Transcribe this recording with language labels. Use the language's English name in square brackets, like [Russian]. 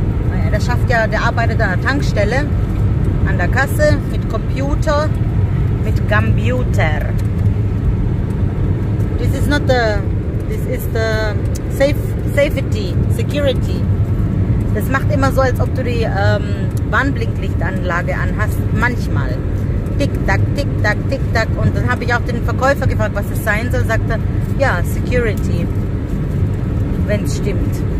[German] Naja, das schafft ja, der arbeitet an der Tankstelle, an der Kasse, mit Computer, mit Gambuter. [English] This is not the, this is the safety, security. [German] Das macht immer so, als ob du die Warnblinklichtanlage anhast, manchmal. Tick, tack, tick, tack, tick, tack. Und dann habe ich auch den Verkäufer gefragt, was es sein soll. Sagt er, ja, Security, wenn es stimmt.